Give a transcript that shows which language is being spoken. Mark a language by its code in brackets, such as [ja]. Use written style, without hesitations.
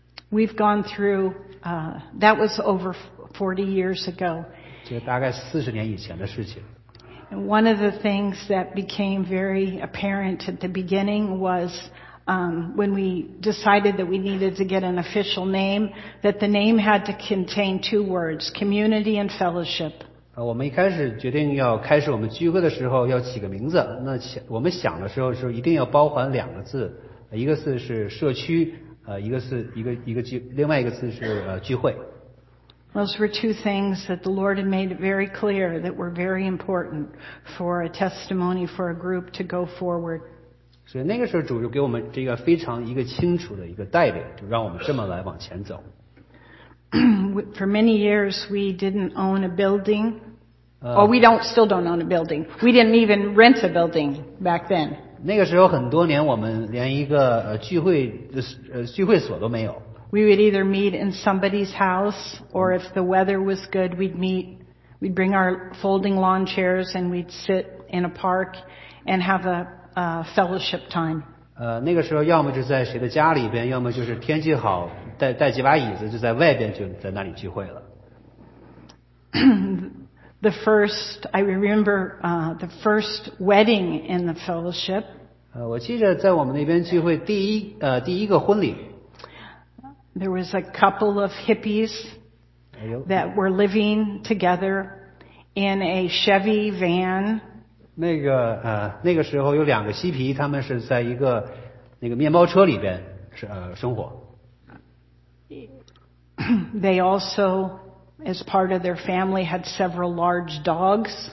[en] We've gone through that was over 40 years ago. [zh] 这大概四十年以前的事情。 [en] And one of the things that became very apparent at the beginning was, when we decided that we needed to get an official name, that the name had to contain two words, community and fellowship. [zh] 我们一开始决定要开始我们聚会的时候要起个名字，那我们想的时候是一定要包含两个字，一个字是社区，一个是一个聚，另外一个字是聚会。 [en] Those were two things that the Lord had made very clear that were very important for a testimony for a group to go forward. [zh] 所以那个时候主就给我们这个非常一个清楚的一个带领，就让我们这么来往前走。 [en] For many years we didn't own a building. Or we still don't own a building. We didn't even rent a building back then. [zh] 那个时候很多年我们连一个聚会所都没有。 [en] We would either meet in somebody's house, or if the weather was good, we'd bring our folding lawn chairs and we'd sit in a park and have a fellowship time. [zh] 那个时候要么就在谁的家里边，要么就是天气好，带几把椅子就在外边就在那里聚会了。 [en] The first, I remember, the first wedding in the fellowship. [zh] 我记得在我们那边聚会第一个婚礼。 [en] There was a couple of hippies that were living together in a Chevy van. [zh] 那个时候有两个嬉皮，他们是在一个那个面包车里边生活。 [en] They also, as part of their family, had several large dogs.